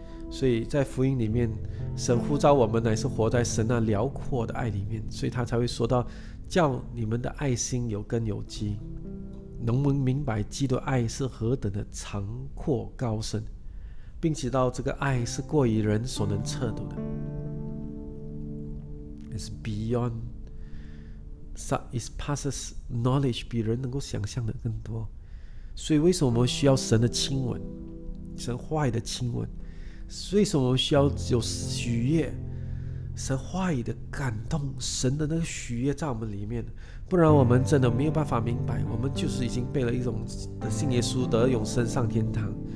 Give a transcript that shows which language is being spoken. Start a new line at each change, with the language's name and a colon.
Chinese: 所以在福音里面，神呼召我们乃是活在神那辽阔的爱里面，所以他才会说到叫你们的爱心有根有基，能不能明白基督的爱是何等的长阔高深，并且到这个爱是过于人所能测度的。
English: It's beyond It passes knowledge，
Chinese: 比人能够想象的更多。所以为什么我们需要神的亲吻，神话语的亲吻？为什么我们需要有喜悦，神话语的感动，神的那个喜悦在我们里面？不然我们真的没有办法明白，我们就是已经被了一种的信耶稣得永生上天堂。